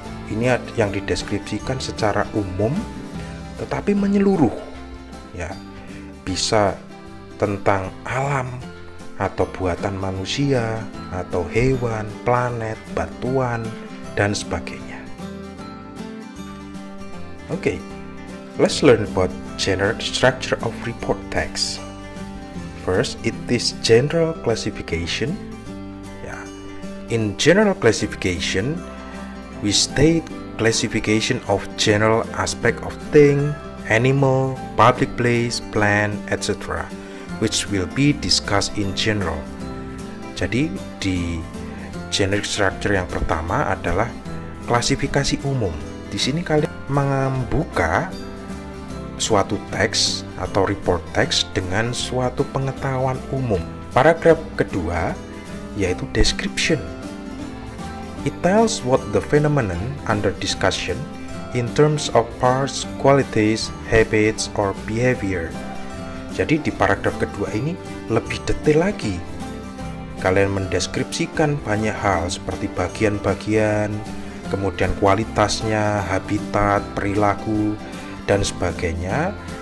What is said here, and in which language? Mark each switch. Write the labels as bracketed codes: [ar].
[id] Ini yang dideskripsikan secara umum tetapi menyeluruh, ya, bisa tentang alam atau buatan manusia atau hewan, planet, batuan, dan sebagainya. [en] Okay, let's learn about general structure of report text. First, it is general classification. Ya. In general classification, we state classification of general aspect of thing, animal, public place, plant, etc., which will be discussed in general. [id] Jadi di generic structure yang pertama adalah klasifikasi umum. Di sini kalian membuka suatu teks atau report text dengan suatu pengetahuan umum. Paragraf kedua yaitu description. [en] It tells what the phenomenon under discussion in terms of parts, qualities, habits, or behavior. [id] Jadi di paragraf kedua ini lebih detail lagi. Kalian mendeskripsikan banyak hal seperti bagian-bagian, kemudian kualitasnya, habitat, perilaku, dan sebagainya.